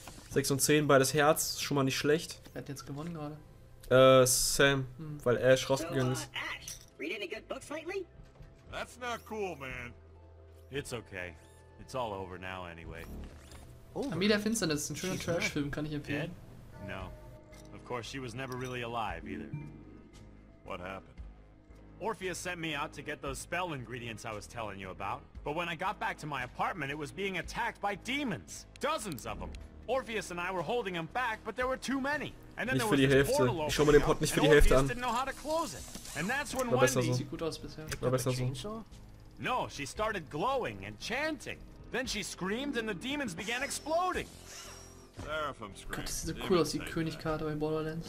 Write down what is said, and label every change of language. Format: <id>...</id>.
<de>6 und 10, beides Herz, schon mal nicht schlecht. Wer hat jetzt gewonnen gerade? Sam, weil Ash rausgegangen ist.</de> <en>Ash, read any good books lately? That's not cool, man. It's okay. It's all over now anyway.</en> <de>Armee der Finsternis ist ein schöner Trash-Film, kann ich empfehlen.</de> <en>Dead? No. Of course, she was never really alive either. What happened? Orpheus sent me out to get those spell ingredients I was telling you about. But when I got back to my apartment, it was being attacked by demons. Dozens of them. Orpheus and I were holding him back, but there were too many. And then there was this portal.</en> <de>Ich schau mir den Pott nicht für die Hälfte an.</de> <en>And that's when</en> <de>Wendy sieht gut aus bisher. War besser so.</de> <en>No, she started glowing and chanting. Then she screamed and the demons began exploding.</en> <de>Gott, das sieht so cool aus, die Königkarte bei Borderlands.</de>